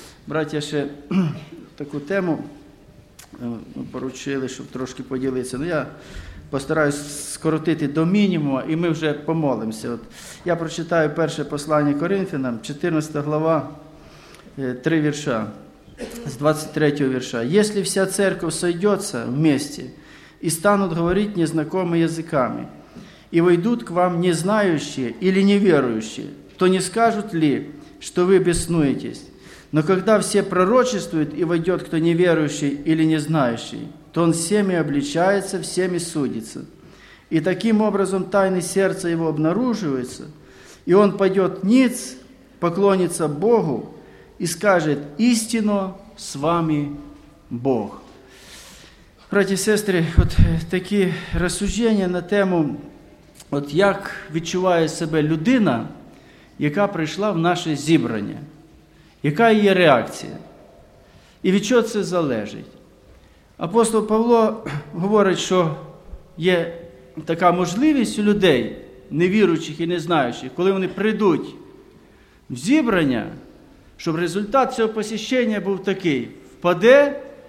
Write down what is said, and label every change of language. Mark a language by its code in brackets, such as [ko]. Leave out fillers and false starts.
[uk] Браття ще таку тему поручили, щоб трошки поділитися. Ну, я постараюсь скоротити до мінімуму, і ми вже помолимося. От я прочитаю перше послання Коринфянам, 14 глава, 3 вірша, з 23 вірша. [ru] «Если вся церковь сойдется в місті и станут говорить незнакомыми языками, и войдут к вам незнающие или неверующие, то не скажут ли, что вы беснуетесь? Но когда все пророчествуют, и войдет кто неверующий или незнающий, то он всеми обличается, всеми судится. И таким образом тайны сердца его обнаруживаются, и он пойдет ниц, поклонится Богу и скажет, истинно с вами Бог». Братья и сестры, вот такие рассуждения на тему, вот как [uk] відчуває себе людина, яка прийшла в наше зібрання. Яка її реакція? І від чого це залежить? Апостол Павло говорить, що є така можливість у людей, невіруючих і незнаючих, коли вони прийдуть в зібрання, щоб результат цього посещення був такий. Впаде